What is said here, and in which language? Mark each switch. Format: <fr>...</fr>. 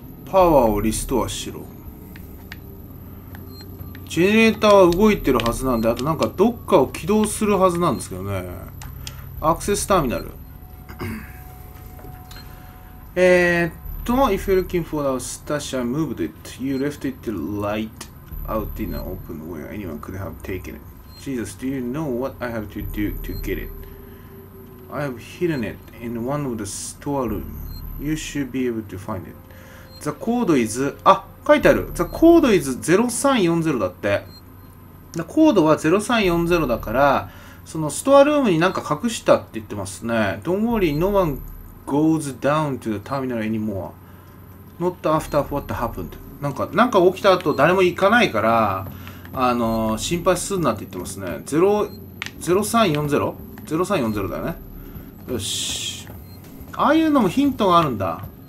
<ja>パワーをリストアしろ。ジェネレーターは動いてるはずなんで、あとなんかどっかを起動するはずなんですけどね。アクセスターミナル。</ja> <en>if you're looking for the stash, I moved it. You left it right out in the open where anyone could have taken it. Jesus, do you know what I have to do to get it? I have hidden it in one of the storeroom. You should be able to find it. The code is...</en> <ja>あ、書いてある。</ja> <en>The code is</en> <ja>0340だって。The code は0340だから、そのストアルームになんか隠したって言ってますね。</ja> <en>Don't worry, no one goes down to the terminal anymore. Not after what happened.</en> <ja>なんか起きた後誰も行かないから、心配すんなって言ってますね。 0340だよね。よし。ああいうのもヒントがあるんだ。</ja>